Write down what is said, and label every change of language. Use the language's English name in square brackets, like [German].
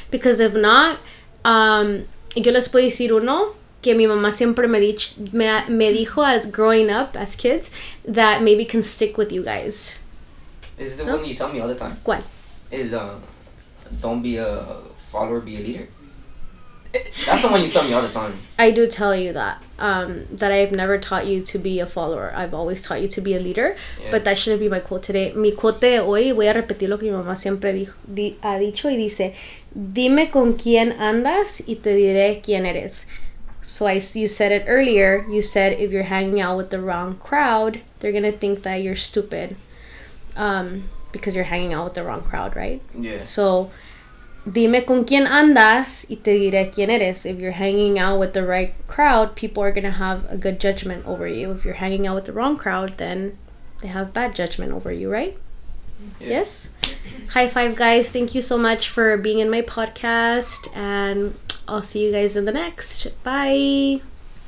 [English] Because if not, [Spanish] yo les puedo decir uno que mi mamá siempre me dijo [English] as growing up, as kids, that maybe can stick with you guys. Is it the one you tell me all the time? [Spanish] ¿Cuál? [English] Is, don't be a follower, be a leader. That's the one you tell me all the time. I do tell you that. That I've never taught you to be a follower. I've always taught you to be a leader. Yeah. But that shouldn't be my quote today. [Spanish] Mi quote de hoy, voy a repetir lo que mi mamá siempre ha dicho y dice, dime con quién andas y te diré quién eres. [English] So you said it earlier. You said if you're hanging out with the wrong crowd, they're going to think that you're stupid. Because you're hanging out with the wrong crowd, right? Yeah. So [Spanish] dime con quién andas y te diré quién eres. [English] If you're hanging out with the right crowd, people are going to have a good judgment over you. If you're hanging out with the wrong crowd, then they have bad judgment over you, right? Yeah. Yes? High five, guys. Thank you so much for being in my podcast. And I'll see you guys in the next. Bye.